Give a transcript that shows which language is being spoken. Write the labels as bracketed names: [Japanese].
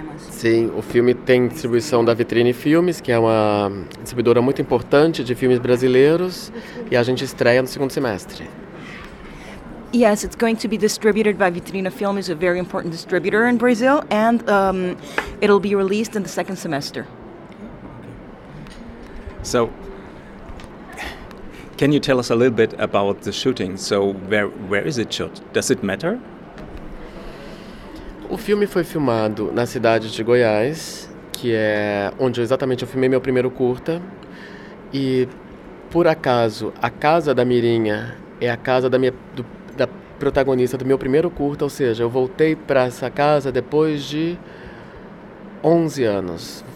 [Portuguese] Sim, o filme tem distribuição da Vitrine Filmes, que é uma distribuidora muito importante de filmes brasileiros, e a gente estreia no segundo semestre. [English] Yes, it's going to be distributed by Vitrine Filmes, a very important distributor in Brazil, and it'll be released in the second semester. So, can you tell us a little bit about the shooting? So, where is it shot? Does it matter? [Portuguese] O filme foi filmado na cidade de Goiás, que é onde exatamente eu filmei meu primeiro curta. E, por acaso, a casa da Mirinha é a casa da protagonista do meu primeiro curta, ou seja, eu voltei para essa casa depois de 11 anos.